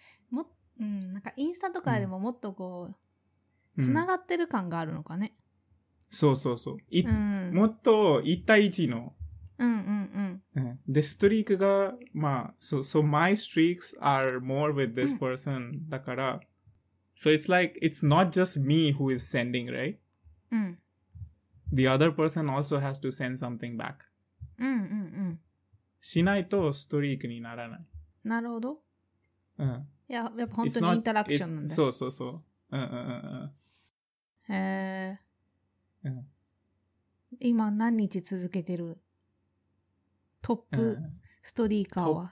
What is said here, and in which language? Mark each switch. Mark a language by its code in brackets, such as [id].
[ja] も、うん、なんかインスタとかよりももっとこう、うん、つながってる感があるのかね。そうそうそう。いうん、もっと一対一の。うんうんうん。うん、で、ストリークが、まあ、 [en] so, so my streaks are more with this person、うん、だから、so it's like, it's not just me who is sending, right? The other person also has to send something back. [ja] うんうんうん。しないとストリークにならない。なるほど。うん。いや、やっぱ本当にインタラクションなんだ。そうそうそう。うんうんうんうん。へー。うん。今何日続けてるトップストリーカーは、